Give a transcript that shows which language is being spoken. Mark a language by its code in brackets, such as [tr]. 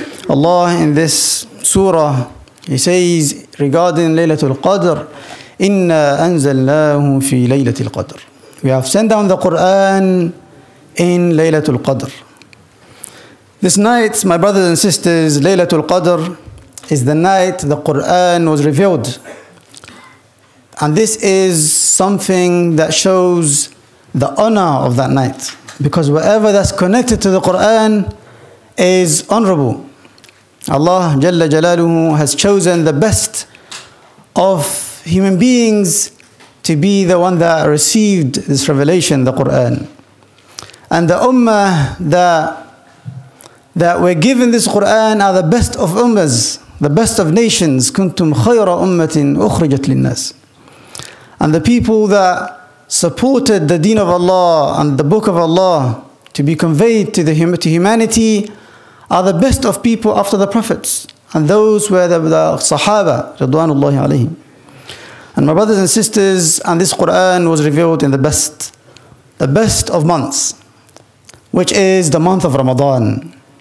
[ar] الله [en] in this surah he says regarding [ar] ليلة القدر: إنا أنزلناه في ليلة القدر. [en] We have sent down the Quran in Laylatul Qadr. This night, my brothers and sisters, Laylatul Qadr is the night the Quran was revealed. And this is something that shows the honor of that night, because whatever that's connected to the Quran is honorable. Allah Jalla Jalaluhu has chosen the best of human beings to be the one that received this revelation, the Quran. And the ummah that were given this Quran are the best of ummahs, the best of nations. [ar] كنتم خير أمة أخرجت للناس. [en] And the people that supported the deen of Allah and the book of Allah to be conveyed to humanity are the best of people after the prophets. And those were the Sahaba [ar] رضوان الله عليهم. [en] And my brothers and sisters, and this Quran was revealed in the best of months, which is the month of Ramadan.